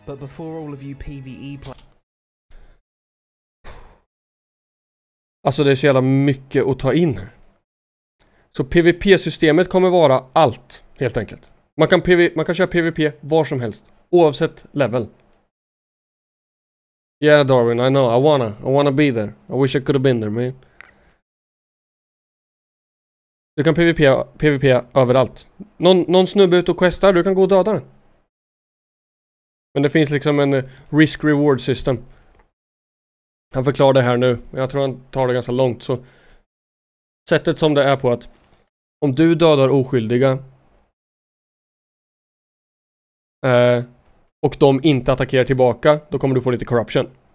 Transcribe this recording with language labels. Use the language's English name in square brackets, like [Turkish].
[English] But before all of you PvE play. [Swedish] Alltså det är så jävla mycket att ta in här. Så PvP-systemet kommer vara allt helt enkelt. Man kan köra PvP var som helst oavsett level. [English] Yeah, Darwin, I know. I wanna be there. I wish I could have been there, man. [Swedish] Du kan PvP överallt. Någon snubbe ut och questar, du kan gå och döda den. Men det finns liksom en risk-reward system. Han förklarar det här nu. Jag tror han tar det ganska långt. Så sättet som det är på att om du dödar oskyldiga och de inte attackerar tillbaka, då kommer du få lite corruption.